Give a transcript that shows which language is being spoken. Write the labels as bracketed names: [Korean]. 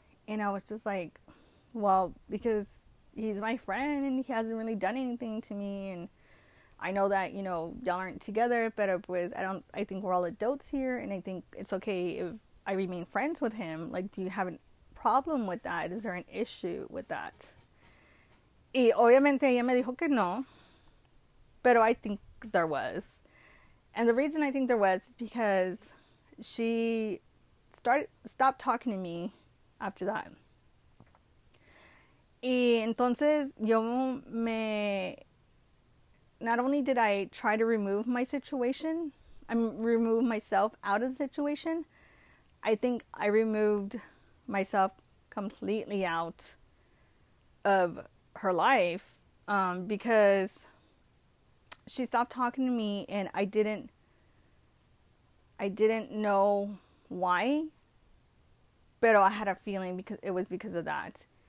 [English] And I was just like, well, because he's my friend and he hasn't really done anything to me. And I know that, you know, y'all aren't together, but I think we're all adults here. And I think it's okay if I remain friends with him. Like, do you have a problem with that? Is there an issue with that? [Spanish] Y obviamente ella me dijo que no. [English] Pero I think there was. And the reason I think there was is because she stopped talking to me after that. [Spanish] Y entonces yo me, [English] not only did I try to remove my situation, I remove myself out of the situation, I think I removed myself completely out of her life, because she stopped talking to me and I didn't know why, pero I had a feeling because it was because of that.